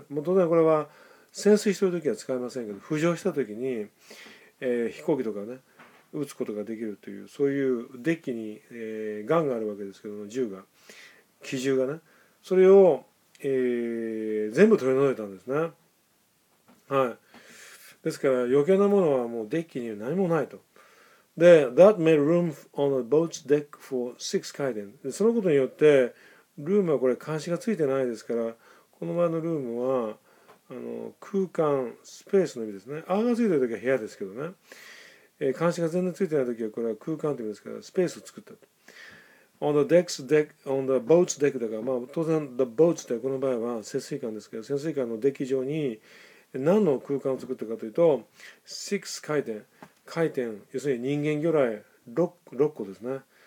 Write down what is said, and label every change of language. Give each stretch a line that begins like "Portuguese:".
Japanese: もう当然これは潜水してる時は使いませんけど、浮上した時に、飛行機とかね撃つことができるという、そういうデッキに、ガンがあるわけですけども、銃が、機銃がね、それを、全部取り除いたんですね。はい、ですから余計なものはもうデッキに何もないと。
English: で That made room on the boat's deck for six kaiden。
Japanese: そのことによってルームはこれ監視がついてないですから、この前のルームはあの空間スペースの意味ですね。 R がついてる時は部屋ですけどね、監視が全然ついてない時はこれは空間という意味ですから、スペースを作ったと。
English: On the deck's deck, on the boat's deck
Japanese: だから、まあ当然
English: the boat's deck、
Japanese: この場合は潜水艦ですけど、潜水艦のデッキ上に何の空間を作ったかというと、6回転、回転、要するに人間魚雷 6個ですね。